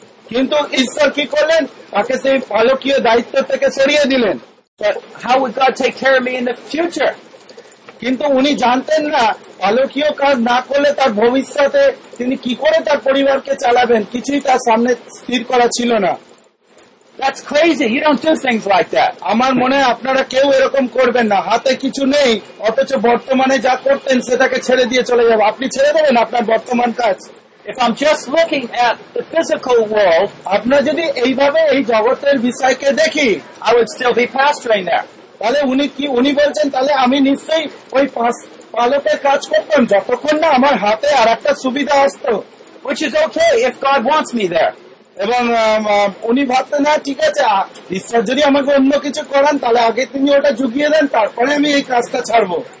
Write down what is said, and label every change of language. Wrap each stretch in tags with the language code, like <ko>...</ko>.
<bn>কিন্তু ঈশ্বর কি করলেন, তাকে সেই পালকীয় দায়িত্ব থেকে সরিয়ে দিলেন।</bn> <en>But how would God take care of me in the future?</en> <bn>কিন্তু উনি জানতেন না পালকীয় কাজ না করলে তার ভবিষ্যতে তিনি কি করে তার পরিবারকে চালাবেন, কিছুই তার সামনে স্থির করা ছিল না।</bn> <en>That's crazy. You don't do things like that.</en> <bn>আমার মনে আপনারা কেউ এরকম করবেন না, হাতে কিছু নেই অথচ বর্তমানে যা করতেন সেটাকে ছেড়ে দিয়ে চলে যাবেন, আপনি ছেড়ে দেবেন আপনার বর্তমান কাজ?</bn> <en>If I'm just looking at the physical world,</en> <bn>আপনি যদি এইভাবে এই জগতের বিষয়কে দেখি,</bn> <en>I would still be pastoring there.</en> <bn>তাহলে উনি কি উনি বলছেন, তাহলে আমি নিশ্চয়ই ওই পালকের কাজ করতাম যতক্ষণ না আমার হাতে আর একটা সুবিধা আসত।</bn> <en>Which is okay if God wants me there.</en> <bn>এবং উনি ভাবতেন না ঠিক আছে ঈশ্বর যদি আমাকে অন্য কিছু করান তাহলে আগে তিনি ওটা ঝুঁকিয়ে দেন তারপরে আমি এই কাজটা ছাড়বো।</bn>